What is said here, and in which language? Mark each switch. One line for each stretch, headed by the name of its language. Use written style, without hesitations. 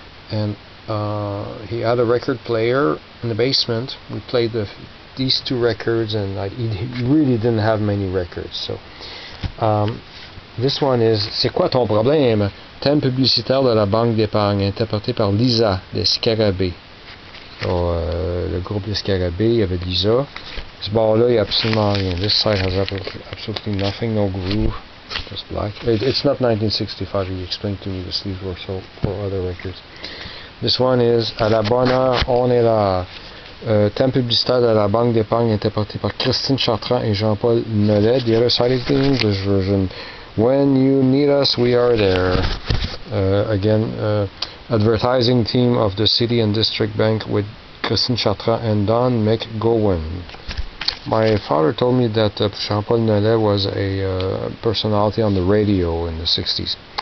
English: And he had a record player in the basement. We played these two records, and he really didn't have many records. So this one is
French: C'est quoi ton problème? Thème publicitaire de la Banque d'Épargne, interprété par Lisa d'Escarabée. Le groupe d'Escarabée, il y avait Lisa. Ce bar-là, il y a absolument rien.
English: This side has absolutely nothing, no groove, just black. It's not 1965, he explained to me the sleeves were so for other records. This one is
French: À la bonne heure, on est là. Temps publicitaire de la Banque d'Épargne, interprété par Christine Chartrand et Jean-Paul Nollet.
English: The other side of the English version. When you need us, we are there. Advertising team of the City and District Bank with Christine Chartrand and Don McGowan. My father told me that Jean-Paul Nollet was a personality on the radio in the 60s.